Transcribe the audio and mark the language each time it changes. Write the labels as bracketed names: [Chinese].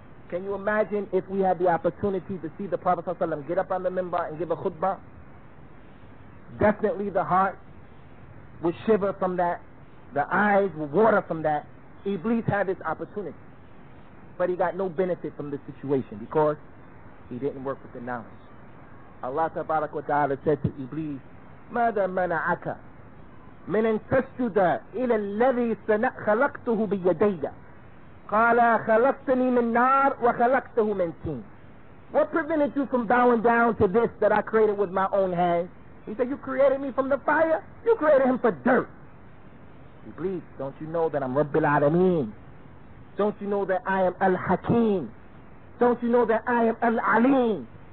[English] Can you imagine if we had the opportunity to see the Prophet ﷺ get up on the minbar and give a khutbah? Definitely the heart would shiver from that. The eyes would water from that. Iblis had this opportunity. But he got no benefit from the situation because he didn't work with the knowledge. Allah Tabarak wa Ta'ala said to Iblis, [Arabic] مَاذَا مَنَعَكَ مِنْ أَنْ تَسْجُدَ إِلَى الَّذِي خَلَقْتُهُ بِيَدَيَّ قَالَ خَلَقْتَنِي مِنْ نَارِ وَخَلَقْتَهُ مِنْ تِينَ. [English] What prevented you from bowing down to this that I created with my own hands? He said, you created me from the fire? You created him for dirt. Iblis, don't you know that I'm Rabbil Alameen? Don't you know that I am Al-Hakim? Don't you know that I am Al-Aleem?